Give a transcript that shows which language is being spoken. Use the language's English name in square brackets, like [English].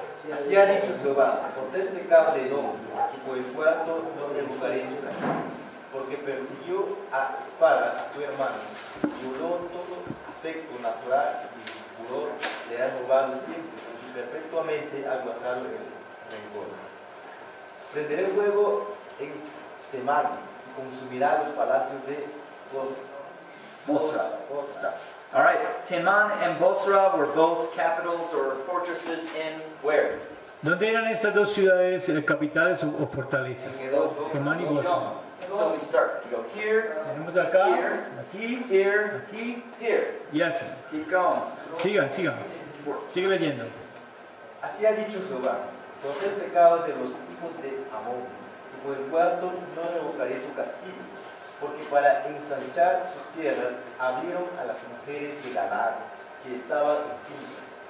[Spanish] Así ha dicho Jehová, por tres pecados de Edom, y por el cuarto no rebuscaré su castigo, porque persiguió a espada a su hermano, y violó todo aspecto natural y juró, le ha robado siempre, y perpetuamente ha guardado el rencor. Prenderé fuego en temar y consumirá los palacios de Bosra. [English] All right, Teman and Bosra were both capitals or fortresses in where? [Spanish] ¿Dónde eran estas dos ciudades capitales o fortalezas? Teman y Bosra. [English] So we start. We go here. [Spanish] Tenemos acá. [English] Here. [Spanish] Aquí. [English] Here. [Spanish] Aquí. [English] Here. [Spanish] Y aquí. [English] Keep going. [Spanish] Sigan. Sigue leyendo. Así ha dicho Jehová, por tres pecados de los hijos de Amón, por el cuarto no revocaré su castigo, porque para ensanchar sus tierras abrieron a las mujeres de Galaad que estaban encintas.